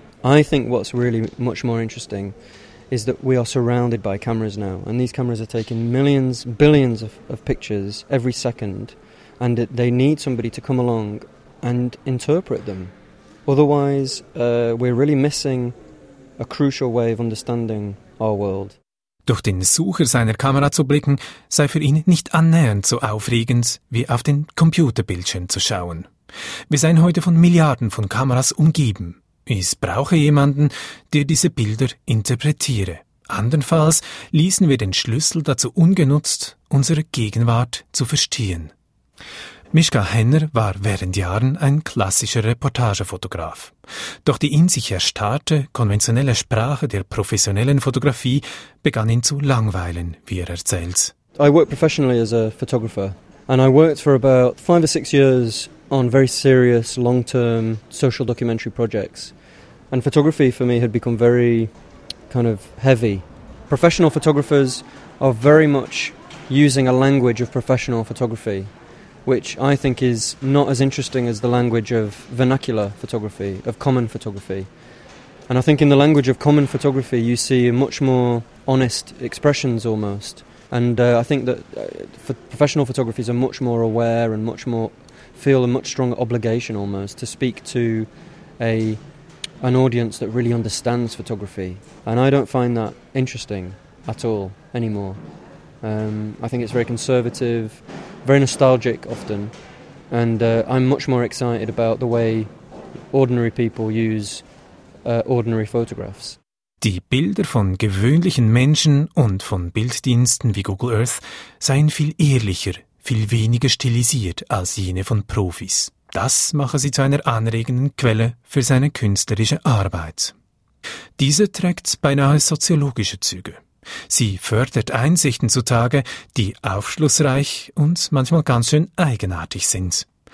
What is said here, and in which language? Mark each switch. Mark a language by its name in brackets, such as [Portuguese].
[English] I think what's really much more interesting is that we are surrounded by cameras now, and these cameras are taking millions, billions of pictures every second. And they need somebody to come along and interpret them. Otherwise, we're really missing a crucial way of understanding our world. [German] Durch den Sucher seiner Kamera zu blicken, sei für ihn nicht annähernd so aufregend, wie auf den Computerbildschirm zu schauen. Wir seien heute von Milliarden von Kameras umgeben. Es brauche jemanden, der diese Bilder interpretiere. Andernfalls ließen wir den Schlüssel dazu ungenutzt, unsere Gegenwart zu verstehen. Mischa Henner war während Jahren ein klassischer Reportagefotograf. Doch die in sich erstarrte, konventionelle Sprache der professionellen Fotografie begann ihn zu langweilen, wie er erzählt. [English] I worked professionally as a photographer, and I worked for about 5 or 6 years on very serious, long-term social documentary projects. And photography for me had become very kind of heavy. Professional photographers are very much using a language of professional photography, which I think is not as interesting as the language of vernacular photography, of common photography. And I think in the language of common photography, you see much more honest expressions almost. And I think that professional photographers are much more aware and much more feel a much stronger obligation almost to speak to an audience that really understands photography. And I don't find that interesting at all anymore. I think it's very conservative, very nostalgic often, and I'm much more excited about the way ordinary people use ordinary photographs. [German] Die Bilder von gewöhnlichen Menschen und von Bilddiensten wie Google Earth seien viel ehrlicher, viel weniger stilisiert als jene von Profis. Das mache sie zu einer anregenden Quelle für seine künstlerische Arbeit. Diese trägt beinahe soziologische Züge. Sie fördert Einsichten zutage, die aufschlussreich und manchmal ganz schön eigenartig sind.